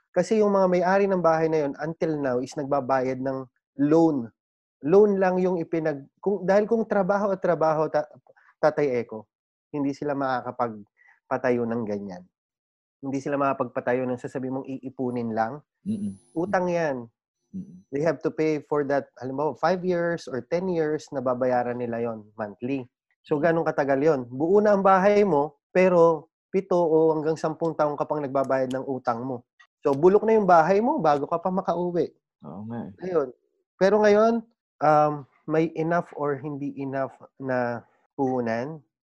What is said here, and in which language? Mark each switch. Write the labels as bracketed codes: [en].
[tl] Kasi yung mga may-ari ng bahay na yun, [en] until now, [tl] is nagbabayad ng loan. Loan lang yung ipinag... dahil kung trabaho at trabaho, Tatay Echo, hindi sila makakapagpatayo ng ganyan. Hindi sila makapagpatayo ng sasabi mong iipunin lang. Mm-mm. Utang yan. Mm-mm. [en] They have to pay for that, [tl] alam mo, [en] 5 years or 10 years [tl] na babayaran nila yon [en] monthly. [tl] So, ganong katagal yon. Buo na ang bahay mo, pero 7 o 10 taong ka pang nagbabayad ng utang mo. So, bulok na yung bahay mo bago ka pa makauwi. Oo nga. Ngayon. Pero ngayon, may enough or hindi enough na puhunan.